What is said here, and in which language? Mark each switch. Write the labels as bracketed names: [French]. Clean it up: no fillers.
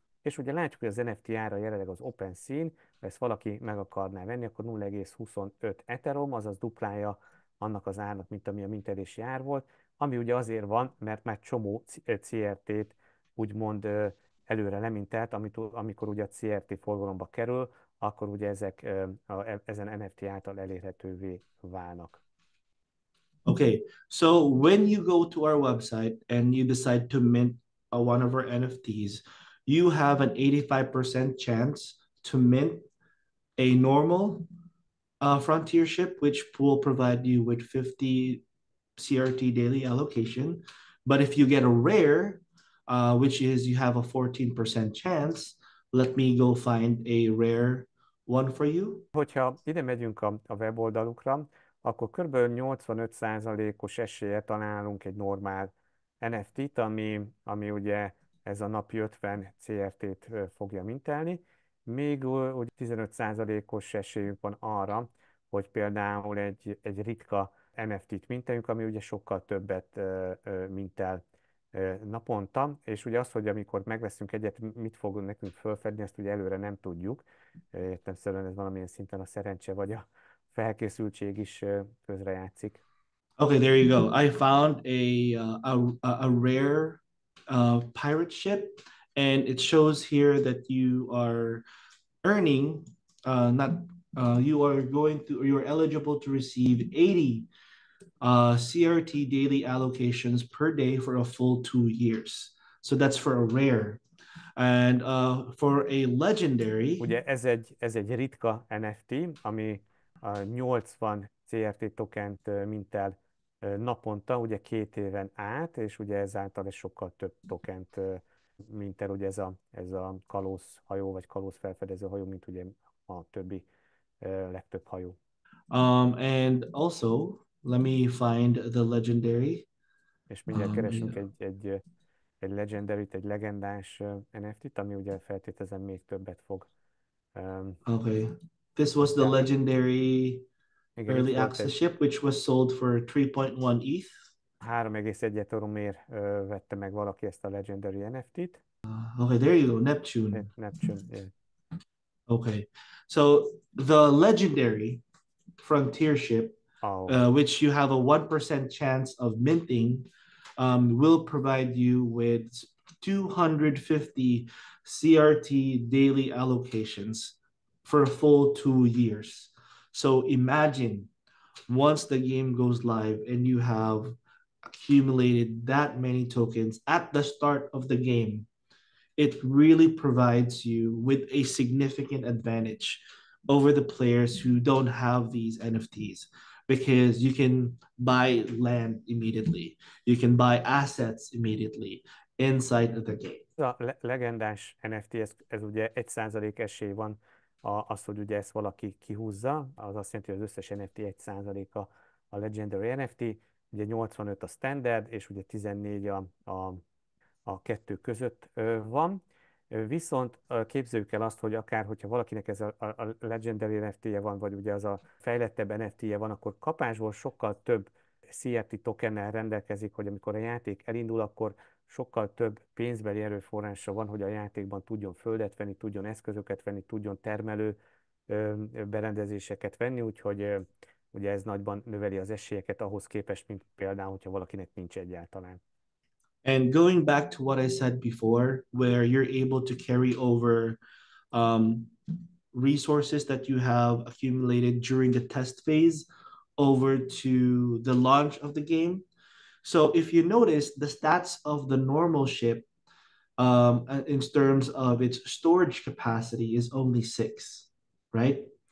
[Hungarian] és ugye látjuk, hogy az NFT ára jelenleg az OpenSea-n, ha ezt valaki meg akarná venni, akkor 0,25 Ethereum, azaz duplája annak az árnak, mint ami a mintelési ár volt, ami ugye azért van, mert már csomó CRT-t úgymond előre lemintelt, amikor ugye a CRT forgalomba kerül, akkor ugye ezek ezen NFT által elérhetővé válnak. [English] Okay, so when you go to our website and you decide to mint one of our NFTs, you have an 85% chance to mint a normal frontier ship, which will provide you with 50 CRT daily allocation. But if you get a rare, which is you have a 14% chance, let me go find a rare one for you? [Hungarian] Hogyha ide megyünk a weboldalukra, akkor kb. 85%-os esélye találunk egy normál NFT-t, ami ugye ez a napi 50 CRT-t fogja mintelni. Még úgy 15%-os esélyünk van arra, hogy például egy ritka NFT-t mintelünk, ami ugye sokkal többet mintel naponta, és ugye az, hogy amikor megveszünk egyet, mit fog nekünk felfedni, azt ugye előre nem tudjuk. Értelemszerűen ez valamilyen szinten a szerencse vagy a felkészültség is közrejátszik. [English] Okay, there you go. I found a rare pirate ship, and it shows here that you are earning you are going to, or you are eligible to receive 80 CRT daily allocations per day for a full 2 years. So that's for a rare. And for a legendary, [Hungarian] ugye ez egy ritka NFT, ami 80 CRT tokent mintel naponta, ugye 2 éven át, és ugye ezáltal ez sokkal több tokent mintel, ugye ez a kalóz hajó, vagy kalóz felfedező hajó, mint ugye a többi legtöbb hajó. [English] And also, let me find the legendary. [Hungarian] És mindjárt keresünk egy legendary-t, egy legendás NFT-t, ami ugye feltételezem még többet fog. Okay. [English] This was the legendary early access ship, which was sold for 3.1 ETH. [Hungarian] 3,1 eurómért vette meg valaki ezt a legendary NFT-t. [English] Okay, there you go, Neptune. Neptune, yeah. Okay, so the legendary frontier ship, which you have a 1% chance of minting, will provide you with 250 CRT daily allocations for a full 2 years. So imagine once the game goes live and you have accumulated that many tokens at the start of the game, it really provides you with a significant advantage over the players who don't have these NFTs, because you can buy land immediately, you can buy assets immediately inside the game. [Hungarian] A legendás NFT, ez ugye 1% esély van az, hogy ugye ezt valaki kihúzza, az azt jelenti, hogy az összes NFT 1% a legendary NFT, ugye 85 a standard, és ugye 14 a kettő között van. Viszont képzeljük el azt, hogy akár, hogyha valakinek ez a legendary NFT-je van, vagy ugye az a fejlettebb NFT-je van, akkor kapásból sokkal több CRT tokennel rendelkezik, hogy amikor a játék elindul, akkor sokkal több pénzbeli erőforrása van, hogy a játékban tudjon földet venni, tudjon eszközöket venni, tudjon termelő berendezéseket venni, úgyhogy ugye ez nagyban növeli az esélyeket ahhoz képest, mint például, hogyha valakinek nincs egyáltalán. [English] And going back to what I said before, where you're able to carry over resources that you have accumulated during the test phase over to the launch of the game. So if you notice, the stats of the normal ship in terms of its storage capacity is only 6, right?